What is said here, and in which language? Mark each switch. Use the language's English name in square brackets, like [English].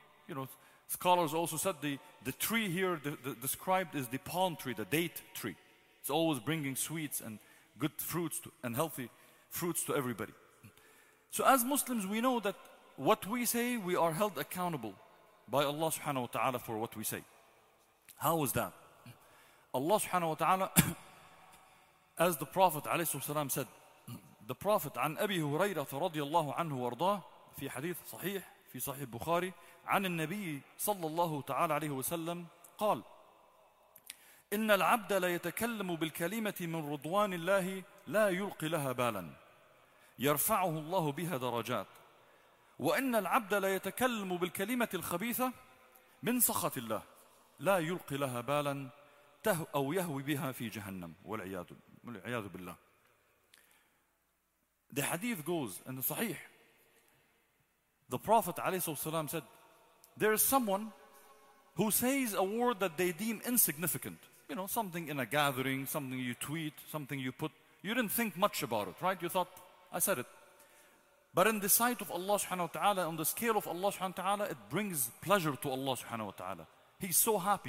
[English] You know, scholars also said the tree here described is the palm tree, the date tree. It's always bringing sweets and good fruits and healthy fruits to everybody. So as Muslims, we know that what we say, we are held accountable by Allah subhanahu wa ta'ala for what we say. How is that? Allah subhanahu wa ta'ala, as the Prophet alayhi salam said, the Prophet, [Arabic] عن أبي هريرة رضي الله عنه وارضاه, في حديث صحيح, في صحيح بخاري, عن النبي صلى الله تعالى عليه وسلم, قال, إن العبد لا يتكلم بالكلمة من رضوان الله لا يلقي لها بالا يرفعه الله بها درجات وإن العبد لا يتكلم بالكلمة الخبيثة من سخط الله لا يلقي لها بالا أو يهوي بها في جهنم والعياذ بالله. [English] The hadith goes in the Sahih. The Prophet عليه الصلاة والسلام said, there is someone who says a word that they deem insignificant. You know, something in a gathering, something you tweet, something you put. You didn't think much about it, right? You thought, I said it. But in the sight of Allah subhanahu wa ta'ala, on the scale of Allah subhanahu wa ta'ala, it brings pleasure to Allah subhanahu wa ta'ala. He's so happy.